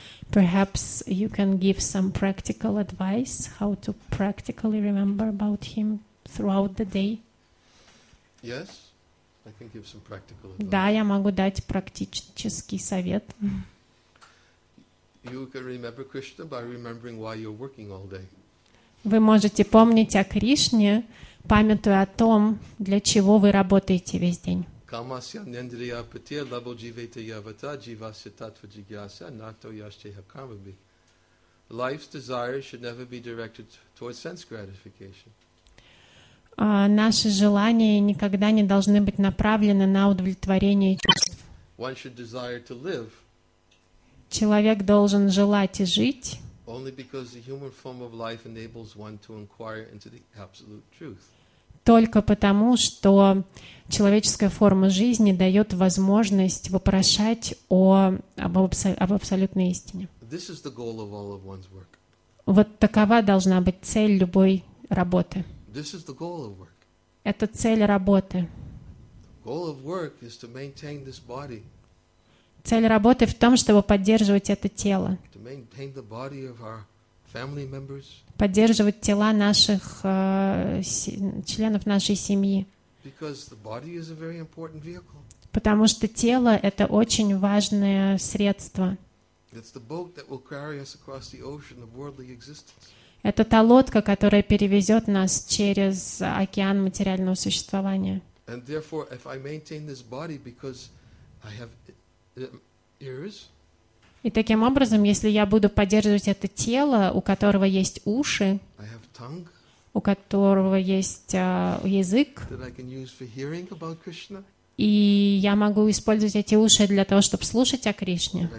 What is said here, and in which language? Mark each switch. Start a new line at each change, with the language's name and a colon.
English: Perhaps you can give some practical advice how to practically remember about him throughout the day. Yes, I can give some practical advice.
Russian: Да, я могу дать практический совет.
English: You can remember Krishna by remembering why you're working all day.
Russian: Вы можете помнить о Кришне, памятуя о том, для чего вы работаете весь день.
Sanskrit: Камасья нендрия патия лабо дживейте явата дживасья татва джигьяса нато яшче хакамаби.
English: Life's desire should never be directed towards sense gratification.
Russian: Наши желания никогда не должны быть направлены на удовлетворение чувств.
English: One should desire to live.
Russian: Человек должен желать и жить.
English: Only because the human form of life enables one to inquire into the absolute truth.
Russian: Только потому, что человеческая форма жизни дает возможность вопрошать об абсолютной истине.
English: This is the goal of all of one's work.
Russian: Вот такова должна быть цель любой работы.
English: This is the goal of work.
Russian: Это цель работы.
English: Goal of work is to maintain this body.
Russian: Цель работы в том, чтобы поддерживать это тело.
English: To maintain the body of our family members.
Russian: Поддерживать тела наших членов нашей семьи.
English: Because the body is a very important vehicle.
Russian: Потому что тело — это очень важное средство.
English: It's the boat that will carry us across the ocean of worldly existence.
Russian: Это та лодка, которая перевезет нас через океан материального существования.
English: And therefore, if I maintain this body because I have ears.
Russian: И таким образом, если я буду поддерживать это тело, у которого есть уши,
English: tongue,
Russian: у которого есть язык,
English: hearing about Krishna,
Russian: и я могу использовать эти уши для того, чтобы слушать о Кришне,